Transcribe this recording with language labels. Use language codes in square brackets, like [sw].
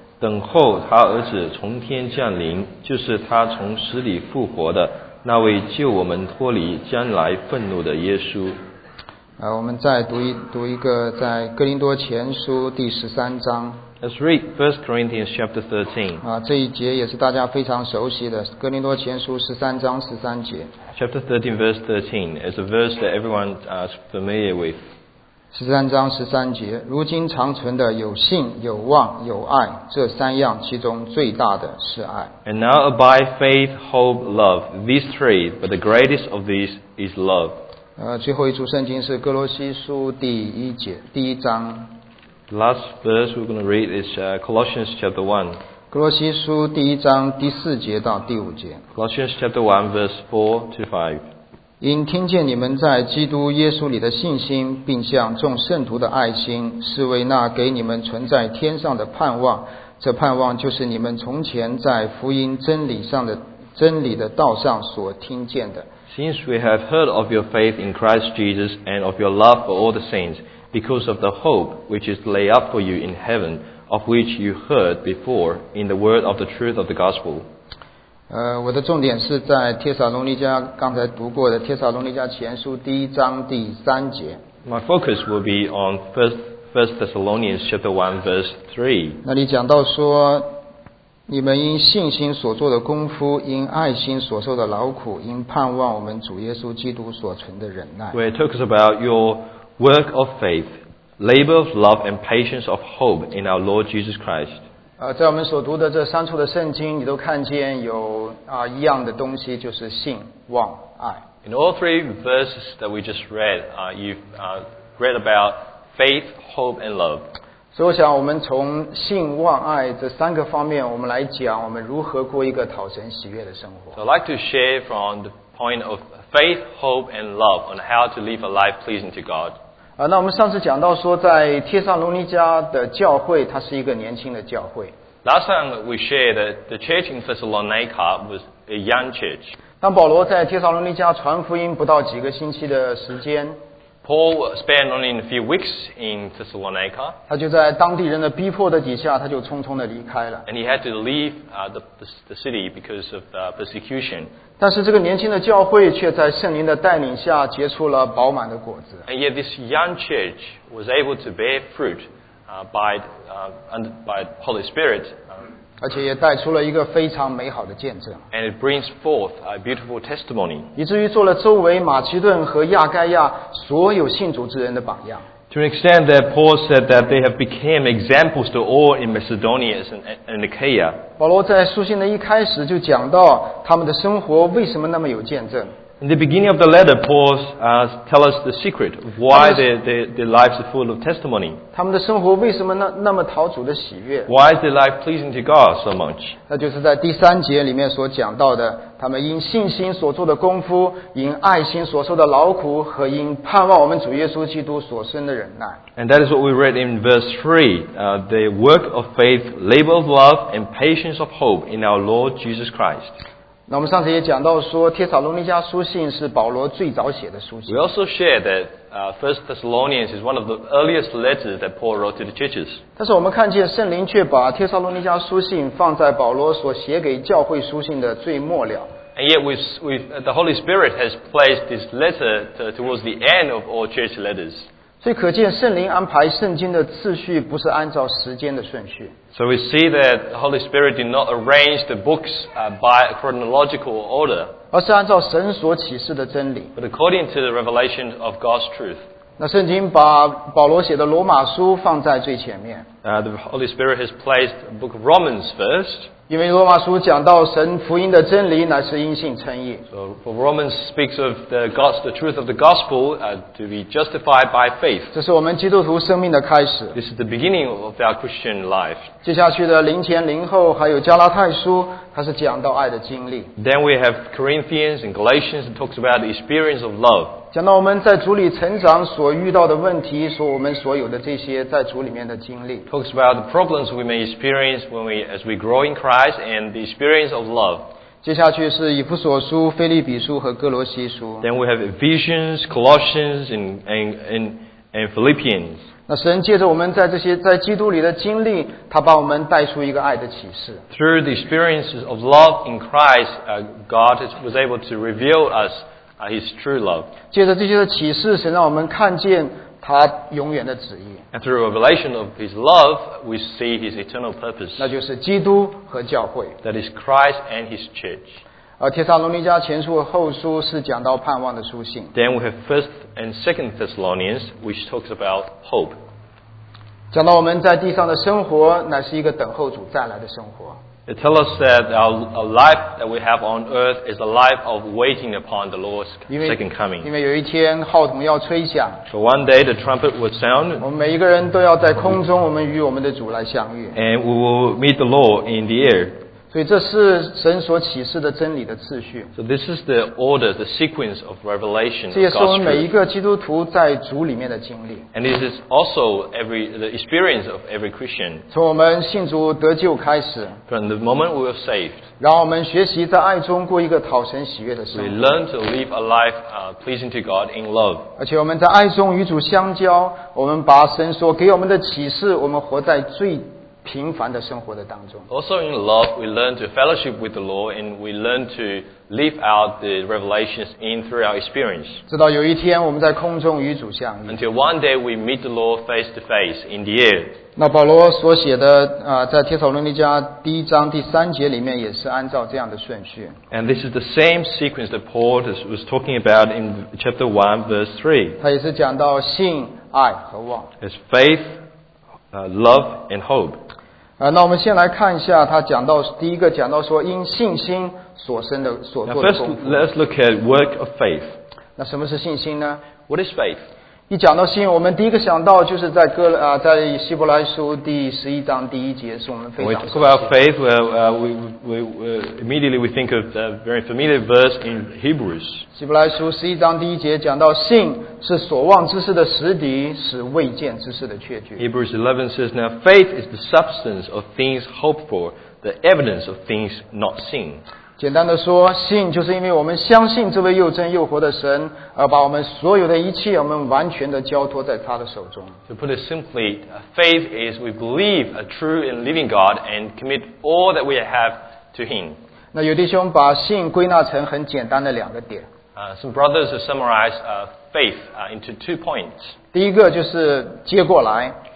[zh] 等候他儿子从天降临，就是他从死里复活的那位救我们脱离将来愤怒的耶稣。我们再读一个在哥林多前书第十三章。 [en] Let's read 1 Corinthians chapter 13. [zh] 这一节也是大家非常熟悉的，哥林多前书十三章十三节。 [en] Chapter 13, verse 13 is a verse that everyone is familiar with. [zh] 十三章十三节，如今长存的有信、有望、有爱，这三样其中最大的是爱。 [en] And now abide faith, hope, love. These three, but the greatest of these is love. [zh] 最后一处圣经是哥罗西书第一节第一章。 [en] The last verse we're going to read is Colossians chapter 1. [zh] 哥罗西书第一章第四节到第五节。 [en] Colossians chapter 1 verse 4 to 5. [zh] 因听见你们在基督耶稣里的信心，并向众圣徒的爱心，是为那给你们存在天上的盼望。这盼望就是你们从前在福音真理上的真理的道上所听见的。 [en] Since we have heard of your faith in Christ Jesus and of your love for all the saints,Because of the hope which is laid up for you in heaven, of which you heard before in the word of the truth of the gospel. [zh] 我的重点是在帖撒罗尼迦刚才读过的帖撒罗尼迦前书第一章第三节。 [en] My focus will be on First Thessalonians chapter 1 verse 3. [zh] 那里讲到说，你们因信心所做的功夫，因爱心所受的劳苦，因盼望我们主耶稣基督所存的忍耐。 [en] Where it talks about your work of faith, labor of love and patience of hope in our Lord Jesus Christ. [zh] 在我们所读的这三处的圣经，你都看见有一样的东西，就是信、望、爱。 [en] In all three verses that we just read, read about faith, hope, and love. [zh] 所以我想我们从信、望、爱这三个方面，我们来讲我们如何过一个讨神喜悦的生活。 [en] So I'd like to share from the point of faith, hope, and love on how to live a life pleasing to God. [zh] 那我们上次讲到说，在帖撒罗尼迦的教会，它是一个年轻的教会。 [en] Last time we shared that the church in Thessalonica was a young church. [zh] 当保罗在帖撒罗尼迦传福音不到几个星期的时间。 [en] Paul spent only a few weeks in Thessalonica. [zh] 他就在当地人的逼迫的底下，他就匆匆的离开了。 [en] And he had to leave the city because of the persecution. [zh] 但是这个年轻的教会却在圣灵的带领下结出了饱满的果子。 [en] And yet this young church was able to bear fruit by the Holy Spirit. [zh] 而且也带出了一个非常美好的见证。 [en] And it brings forth a beautiful testimony. [zh] 以至于做了周围马其顿和亚该亚所有信主之人的榜样。 [en] To an extent that Paul said that they have become examples to all in Macedonia and Achaia. [zh] 保罗在书信的一开始就讲到他们的生活为什么那么有见证。 [en] In the beginning of the letter, Paul tells us the secret of why their lives are full of testimony. [zh] 他们的生活为什么那么讨主的喜悦？ [en] Why is their life pleasing to God so much? [zh] 那就是在第三节里面所讲到的，他们因信心所做的功夫，因爱心所受的劳苦，和因盼望我们主耶稣基督所生的忍耐。 [en] And that is what we read in verse 3. The work of faith, labor of love, and patience of hope in our Lord Jesus Christ. [zh] 那我们上次也讲到说，帖撒罗尼迦书信是保罗最早写的书信。 [en] We also share that First Thessalonians is one of the earliest letters that Paul wrote to the churches. [zh] 但是我们看见圣灵却把帖撒罗尼迦书信放在保罗所写给教会书信的最末了。 [en] And yet the Holy Spirit has placed this letter towards the end of all church letters. [zh] 所以可见圣灵安排圣经的次序不是按照时间的顺序。 [en] So we see that the Holy Spirit did not arrange the books by a chronological order. [zh] 而是按照神所启示的真理。 [en] But according to the revelation of God's truth. [zh] 那圣经把保罗写的罗马书放在最前面。 [en] The Holy Spirit has placed the book of Romans first. [zh] 因为罗马书讲到神福音的真理乃是因信称义。 [en] So Romans speaks of the truth of the gospel to be justified by faith. [zh] 这是我们基督徒生命的开始。 [en] This is the beginning of our Christian life. [zh] 接下去的灵前灵后还有加拉太书，它是讲到爱的经历。 [en] Then we have Corinthians and Galatians that talks about the experience of love. [zh] 讲到我们在主里成长所遇到的问题，说我们所有的这些在主里面的经历。 [en] Talks about the problems we may experience as we grow in Christ and the experience of love. [zh] 接下去是以弗所书、腓立比书和哥罗西书。 [en] Then we have Ephesians, Colossians, and Philippians. [zh] 那神借着我们在这些在基督里的经历，他把我们带出一个爱的启示。 [en] Through the experiences of love in Christ, God was able to reveal us His true love. [zh] 借着这些的启示，神让我们看见他永远的旨意。 [en] And through a revelation of His love, we see His eternal purpose. [zh] 那就是基督和教会。 [en] That is Christ and His church. [zh] 帖撒罗尼迦前书和后书是讲到盼望的书信。 [en] Then we have First and Second Thessalonians, which talks about hope. [zh] 讲到我们在地上的生活，乃是一个等候主再来的生活。 [en] It tells us that our life that we have on earth is a life of waiting upon the Lord's second coming. [zh] 因为有一天号筒要吹响。 [en] So one day the trumpet will sound. [zh] 我们每一个人都要在空中，我们与我们的主来相遇。 [en] And we will meet the Lord in the air. [zh] 所以这是神所启示的真理的次序。 [en] So this is the order, the sequence of revelation. [zh] 这也是我们每一个基督徒在主里面的经历。 [en] And this is also the experience of every Christian. [zh] 从我们信主得救开始。 [en] From the moment we are saved, [zh] 让我们学习在爱中过一个讨神喜悦的生活。 [en] We learn to live a life pleasing to God in love. [zh] 而且我们在爱中与主相交，我们把神所给我们的启示，我们活在最平凡的生活的当中。 [en] Also in love, we learn to fellowship with the Lord, and we learn to live out the revelations in through our experience. [zh] 直到有一天我们在空中与主相遇。 [en] Until one day we meet the Lord face to face in the air. [zh] 那保罗所写的在帖撒罗尼迦第一章第三节里面也是按照这样的顺序。 [en] And this is the same sequence that Paul was talking about in chapter 1, verse 3. [zh] 他也是讲到信、爱和望。 [en] It's faith, love, and hope. [zh] 那我们先来看一下他讲到第一个讲到说因信心所生的所做的功夫。 [en] Now first, let's look at work of faith. [zh] 那什么是信心呢？ [en] What is faith? [zh] 一讲到信，我们第一个想到就是在在希伯来书第十一章第一节，是我们非常。 [en] When we talk about faith, we immediately think of a very familiar verse in Hebrews. [zh] 希伯来书十一章第一节讲到信是所望之事的实底，是未见之事的确据。 [en] Hebrews 11 says, "Now faith is the substance of things hoped for, the evidence of things not seen." [zh] 简单的说，信就是因为我们相信这位又真又活的神，而把我们所有的一切，我们完全的交托在他的手中。 [en] To put it simply, faith is we believe a true and living God and commit all that we have to Him. [zh] 那有弟兄把信归纳成很简单的两个点。 [en] Some brothers have summarized faith into two points. [zh] 第一个就是接过来。